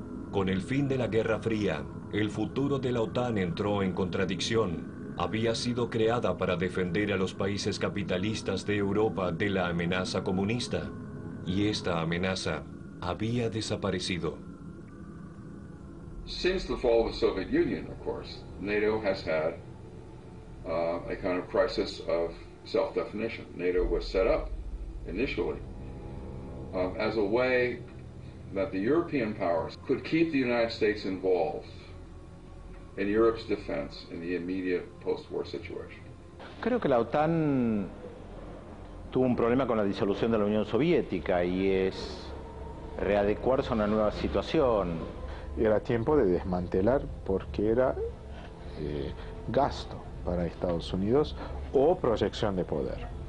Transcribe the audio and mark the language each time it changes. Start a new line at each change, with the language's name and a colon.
Spanish: Con el fin de la Guerra Fría, el futuro de la OTAN entró en contradicción. Había sido creada para defender a los países capitalistas de Europa de la amenaza comunista, y esta amenaza había desaparecido.
English: Since the fall of the Soviet Union, of course, NATO has had a kind of crisis of self-definition. NATO was set up initially as a way that the European powers could keep the United States involved en Europe's defense in the immediate post-war situation.
Spanish: Creo que la OTAN tuvo un problema con la disolución de la Unión Soviética y es readecuarse a una nueva situación. Era tiempo de desmantelar porque era gasto para Estados Unidos o proyección de poder.